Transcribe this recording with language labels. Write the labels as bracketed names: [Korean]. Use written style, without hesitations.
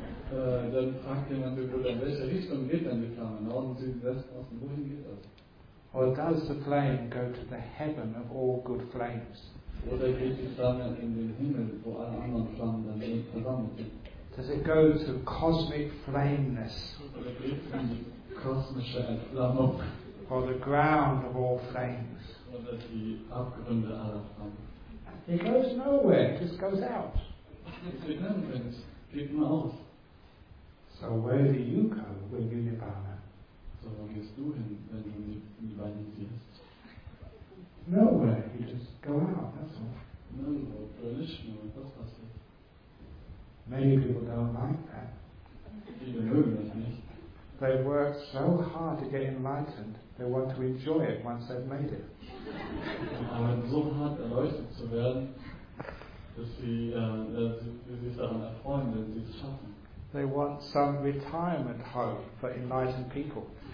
[German] Dann fragt jemand den Buddha, in welche Richtung geht denn die Flamme? Norden, Süden, Westen, Osten, wohin geht das? [English] Or does the flame go to the heaven of all good flames? [German] Oder geht die Flamme in den Himmel, wo alle anderen Flammen dann versammelt sind? [English] Does it go to cosmic flameness? [German] Oder geht es in die kosmische Entflammung? [English] Or the ground of all flames? [German] Oder die Abgründe aller Flammen? [English] It goes nowhere, it just goes out. [German] Es geht nirgendwo, es geht nur aus. [English] So where do you go when you nirvana? So where [German] gehst du hin, wenn du nirvana siehst? [English] Nowhere, you just go out, that's all. [German] Nirgendwo, prolischen, und das passiert. [English] Many people don't like that. [German] Viele mögen das nicht. [English] They work so hard to get enlightened, they want to enjoy it once they've made it. [German] Sie arbeiten so hart, erleuchtet zu werden, dass sie sich daran erfreuen, wenn sie es schaffen. [English] They want some retirement home for enlightened people.